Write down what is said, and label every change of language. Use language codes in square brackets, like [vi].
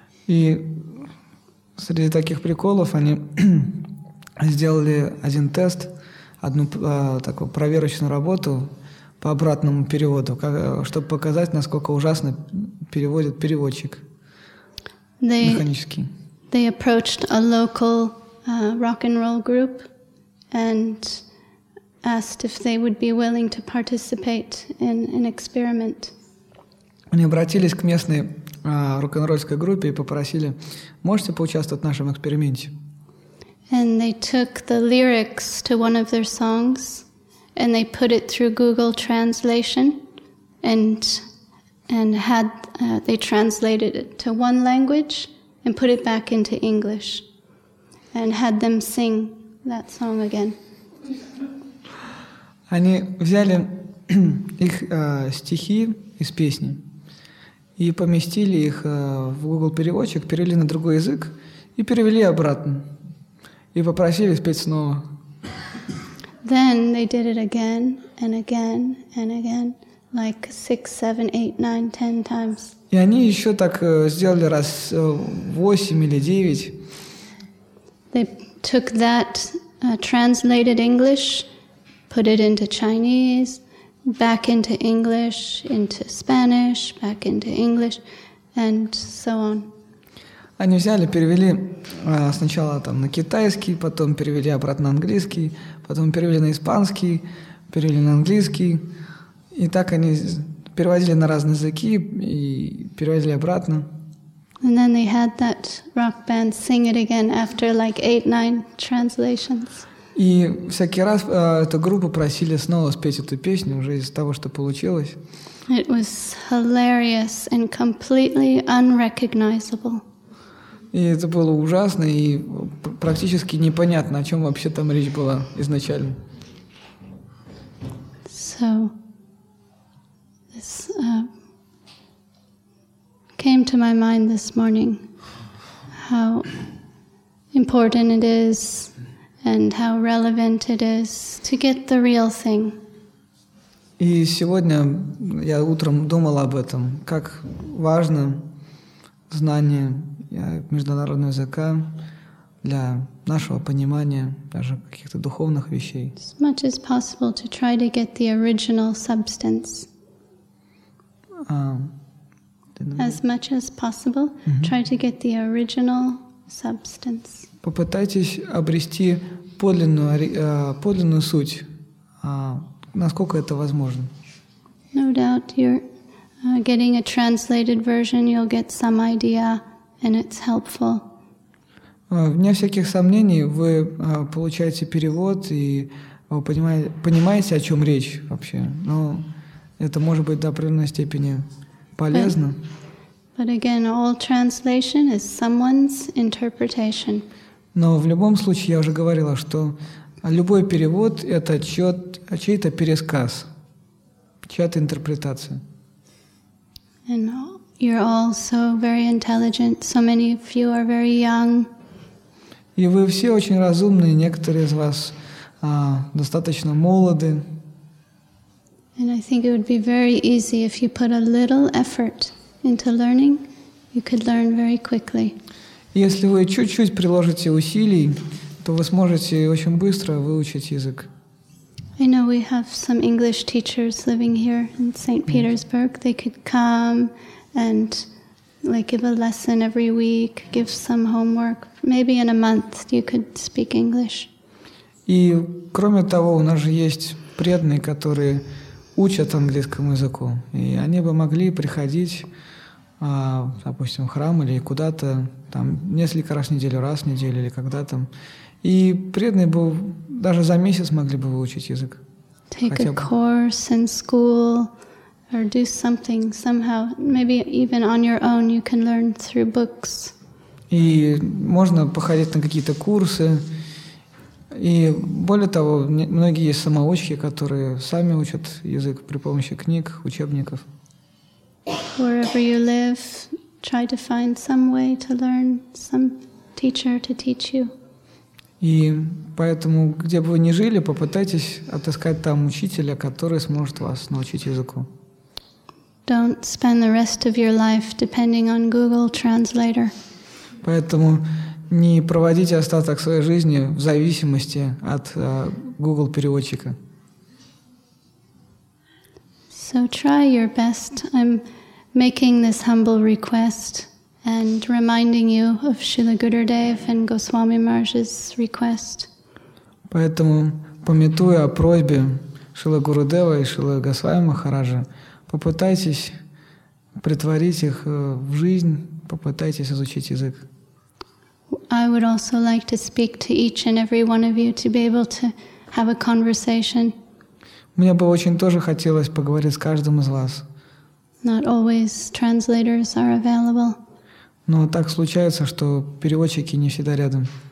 [ru] И среди таких приколов они сделали один тест, одну такую проверочную работу по обратному переводу, чтобы показать, насколько ужасно переводит переводчик механически. [en] They approached a local rock and roll group and asked if they would be willing to participate in an experiment. [ru] Они обратились к местной рок-н-ролльской группе и попросили, можете поучаствовать в нашем эксперименте? [en] And they took the lyrics to one of their songs and they put it through Google Translation and had they translated it to one language and put it back into English and had them sing that song again. [ru] Они взяли их стихи из песни и поместили их в Google переводчик, перевели на другой язык и перевели обратно и попросили спеть снова. [en] Then they did it again and again and again, like 6, 7, 8, 9, 10 times. [ru] И они еще так сделали раз 8 или 9. [en] They took that translated English, put it into Chinese, back into English, into Spanish, back into English, and so on. [ru] Они взяли, перевели сначала там на китайский, потом перевели обратно на английский, потом перевели на испанский, перевели на английский. И так они переводили на разные языки и переводили обратно. [en] And then they had that rock band sing it again after like 8-9 translations. [ru] И всякий раз эту группу просили снова спеть эту песню уже из того, что получилось. [en] It was hilarious and completely unrecognizable. [ru] И это было ужасно и практически непонятно, о чем вообще там речь была изначально. [en] So this came to my mind this morning, how important it is and how relevant it is to get the real thing. [ru] И сегодня я утром думал об этом, как важно знание международного языка для нашего понимания даже каких-то духовных вещей. [en] As much as possible to try to get the original substance. As much as possible, try to get the original substance. [ru] Попытайтесь обрести подлинную суть, насколько это возможно. [en] No doubt, you're getting a translated version, you'll get some idea, and it's helpful. [ru] Вне всяких сомнений, вы получаете перевод и вы понимаете, о чем речь вообще. Но это может быть до определенной степени полезно. [en] But again, all translation is someone's interpretation. [ru] Но в любом случае, я уже говорила, что любой перевод — это чей-то пересказ, чья-то интерпретация. [en] And you're all so very intelligent. So many of you are very young. [ru] И вы все очень разумные. Некоторые из вас достаточно молоды. [en] And I think it would be very easy if you put a little effort into learning, you could learn very quickly. [ru] Если вы чуть-чуть приложите усилий, то вы сможете очень быстро выучить язык. [en] I know we have some English teachers living here in St. Petersburg. They could come and like give a lesson every week, give some homework. Maybe in a month you could speak English. [ru] И кроме того, у нас же есть преданные, которые учат английскому языку. И они бы могли приходить, допустим, в храм или куда-то, там, несколько раз в неделю, раз в неделю или когда там. И преданные бы даже за месяц могли бы выучить язык. [en] Take a course in school or do something somehow. Maybe even on your own you can learn through books. [ru] И можно походить на какие-то курсы. И более того, многие есть самоучки, которые сами учат язык при помощи книг, учебников. [en] Wherever you live, try to find some way to learn, some teacher to teach you. [ru] И поэтому, где бы вы ни жили, попытайтесь отыскать там учителя, который сможет вас научить языку. [en] Don't spend the rest of your life depending on Google Translator. [ru] Поэтому не проводите остаток своей жизни в зависимости от Google переводчика. [en] So try your best. I'm making this humble request and reminding you of Srila Gurudev and Goswami Maharaj's request. [ru] Поэтому, памятуя о просьбе Шрилы Гурудева и Шрилы Госвами Махараджа, попытайтесь притворить их в жизнь, попытайтесь изучить язык. [en] I would also like to speak to each and every one of you to be able to have a conversation. [ru] Мне бы очень тоже хотелось поговорить с каждым из вас. [en] Not always translators are available. [ru] Но так случается, что переводчики не всегда рядом.